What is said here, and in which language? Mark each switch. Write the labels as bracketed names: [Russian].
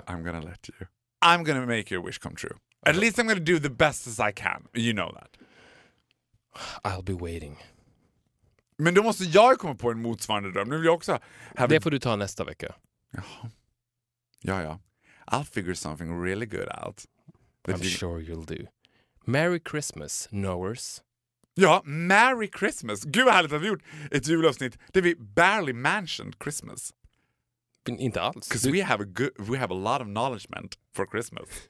[English] I'm gonna make your wish come true. At least I'm gonna do the best as I can. You know that. I'll be waiting. [Swedish] Men då måste jag komma på en motsvarande dröm. Nu vill jag också have det får du ta nästa vecka. Ja. [English] I'll figure something really good out. I'm sure you'll do. Merry Christmas, knowers. Ja, Merry Christmas. [Swedish] Gud vad härligt att vi gjort ett julavsnitt där vi [English] barely mentioned Christmas. [Swedish] Inte alls. [English] Because we have a lot of knowledge for Christmas.